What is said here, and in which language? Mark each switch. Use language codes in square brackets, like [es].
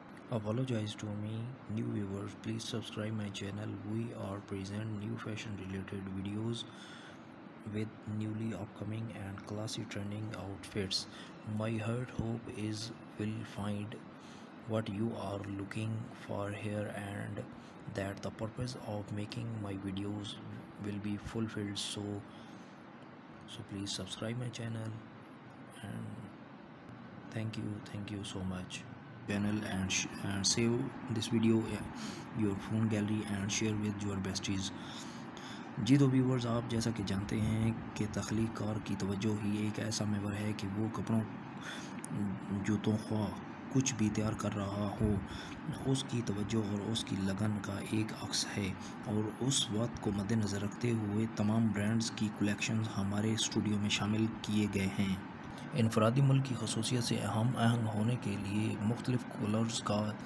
[en] Apologise to me new viewers, please subscribe my channel, we are present new fashion related videos with newly upcoming and classy trending outfits. My heart hope is will find what you are looking for here and that the purpose of making my videos will be fulfilled. So please subscribe my channel and thank you so much channel and save this video your phone gallery and share with your besties. [ur] جی تو viewers, آپ جیسا کہ جانتے ہیں کہ تخلیق کار کی توجہ ہی ایک ایسا محور ہے کہ وہ کپڑوں جوتوں خواہ کچھ بھی تیار کر رہا ہو، اس کی توجہ اور اس کی لگن کا ایک عکس ہے، اور اس وقت کو مد نظر رکھتے ہوئے تمام برانڈز کی کلیکشنز ہمارے اسٹوڈیو میں شامل کیے گئے ہیں۔ انفرادی ملک کی خصوصیت سے ہم آہنگ ہونے کے لیے مختلف کلرز کا